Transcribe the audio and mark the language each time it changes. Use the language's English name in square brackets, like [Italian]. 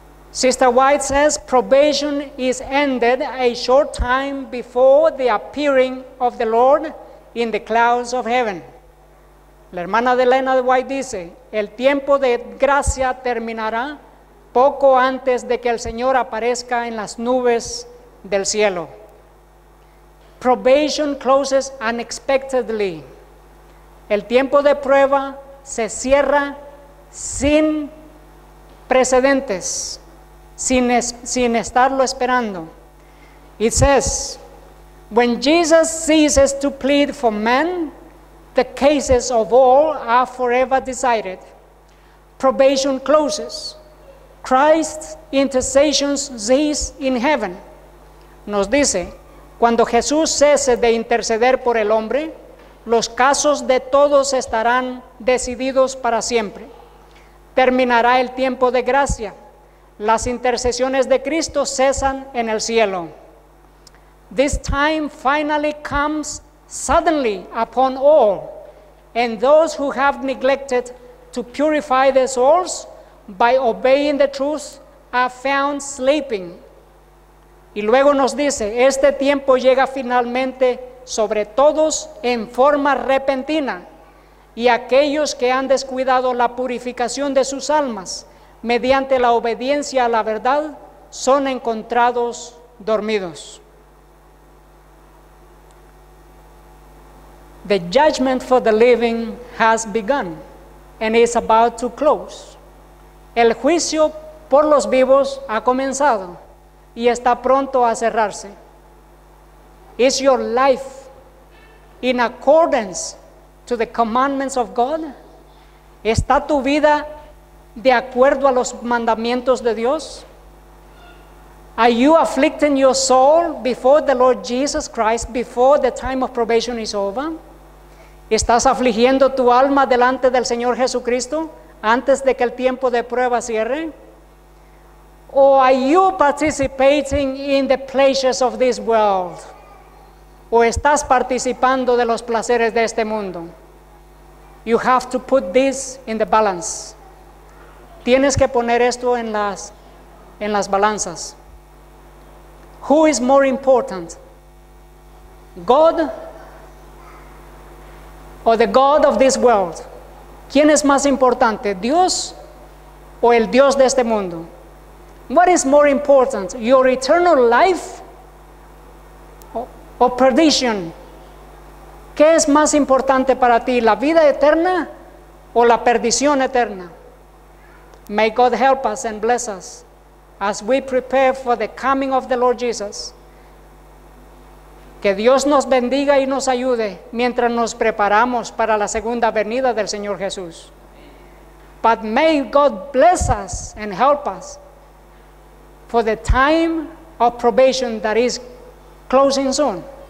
[English] Sister White says, probation is ended a short time before the appearing of the Lord in the clouds of heaven. [Spanish] La hermana de Elena de White dice, el tiempo de gracia terminará poco antes de que el Señor aparezca en las nubes del cielo. [English] Probation closes unexpectedly. [Spanish] El tiempo de prueba se cierra sin precedentes, sin estarlo esperando. [English] It says, when Jesus ceases to plead for men, the cases of all are forever decided. Probation closes. Christ's intercessions cease in heaven. [Spanish] Nos dice, cuando Jesús cese de interceder por el hombre, los casos de todos estarán decididos para siempre. Terminará el tiempo de gracia. Las intercesiones de Cristo cesan en el cielo. [English] This time finally comes suddenly upon all, and those who have neglected to purify their souls by obeying the truth are found sleeping. [Spanish] Y luego nos dice, este tiempo llega finalmente sobre todos en forma repentina, y aquellos que han descuidado la purificación de sus almas mediante la obediencia a la verdad son encontrados dormidos. [English] The judgment for the living has begun and is about to close. [Spanish] El juicio por los vivos ha comenzado y está pronto a cerrarse. [English] Is your life in accordance to the commandments of God? [Spanish] ¿Está tu vida de acuerdo a los mandamientos de Dios? [English] Are you afflicting your soul before the Lord Jesus Christ before the time of probation is over? [Spanish] ¿Estás afligiendo tu alma delante del Señor Jesucristo antes de que el tiempo de prueba cierre? [English] Or are you participating in the pleasures of this world? [Spanish] ¿O estás participando de los placeres de este mundo? [English] You have to put this in the balance. [Spanish] Tienes que poner esto en las balanzas. [English] Who is more important? God or the God of this world? [Spanish] ¿Quién es más importante, Dios o el Dios de este mundo? [English] What is more important, your eternal life or perdition? [Spanish] ¿Qué es más importante para ti, la vida eterna o la perdición eterna? [English] May God help us and bless us as we prepare for the coming of the Lord Jesus. [Spanish] Que Dios nos bendiga y nos ayude mientras nos preparamos para la segunda venida del Señor Jesús. [English] But may God bless us and help us for the time of probation that is closing soon.